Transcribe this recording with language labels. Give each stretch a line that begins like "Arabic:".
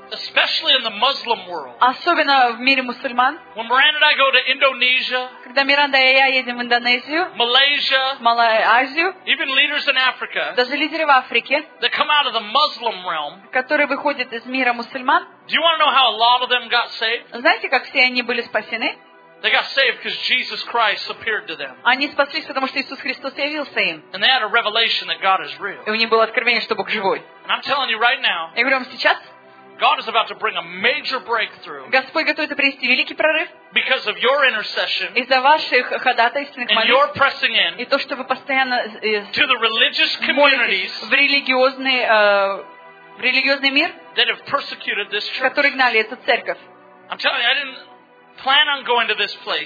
English: especially in the Muslim world,
Russian: особенно в мире мусульман.
English: When Miranda and I go to Indonesia,
Russian: когда Миранда и я едем в Индонезию,
English: Malaysia,
Russian: Малайзию,
English: even leaders in Africa,
Russian: даже лидеры в Африке,
English: that come out of the Muslim realm,
Russian: которые выходят из мира мусульман.
English: Do you want to know how a lot of them got saved?
Russian: Знаете, как все они были спасены?
English: They got saved because Jesus Christ appeared to them.
Russian: Они спаслись, потому что Иисус Христос явился им.
English: And they had a revelation that God is real.
Russian: И у них было откровение, что Бог живой.
English: And I'm telling you right now.
Russian: Я говорю вам сейчас.
English: God is about to bring a major breakthrough.
Russian: Господь готовится принести великий прорыв.
English: Because of your intercession.
Russian: Из-за ваших ходатайственных молитв.
English: And your pressing in.
Russian: И то, что вы постоянно.
English: To the religious communities.
Russian: В религиозный мир.
English: That have persecuted this church.
Russian: Которые гнали эту церковь.
English: I'm telling you, I didn't. Plan on going to this place.